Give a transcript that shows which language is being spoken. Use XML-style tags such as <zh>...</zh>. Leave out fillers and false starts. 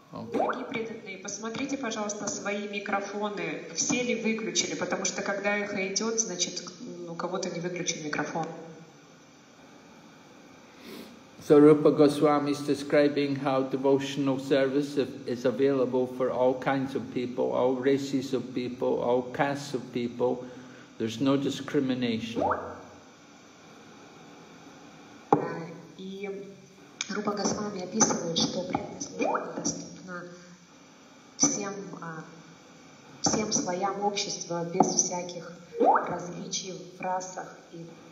<ru>Дорогие преданные, посмотрите, пожалуйста, свои микрофоны. Все ли выключили? Потому что когда эхо идет, значит, у кого-то не выключен микрофон.</ru> <en>So Rupa Goswami is describing how devotional service is available for all kinds of people, all races of people, all castes of people. There's no discrimination.</en> <ru>И Рупа Госвами описывает, что преданность доступна всем, всем слоям общества без всяких различий в расах и...</ru>